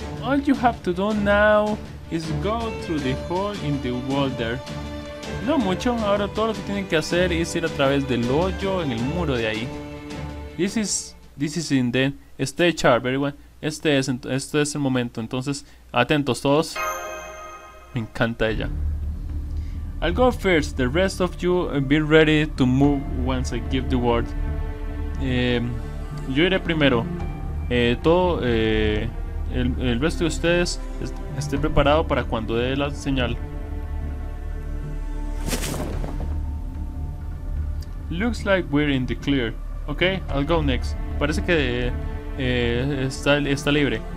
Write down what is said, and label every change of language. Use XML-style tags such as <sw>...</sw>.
<en>All you have to do now is go through the hole in the wall there.</en> <es>No mucho. Ahora todo lo que tienen que hacer es ir a través del hoyo en el muro de ahí.</es> <en>This is in the... Stay sharp, everyone.</en> <es>Este es el momento. Entonces, atentos todos. Me encanta ella.</es> <en>I'll go first. The rest of you be ready to move once I give the word.</en> <es>Yo iré primero. El resto de ustedes esté preparado para cuando dé la señal.</es> <en>Looks like we're in the clear. Okay, I'll go next.</en> <es>Parece que está libre.</es>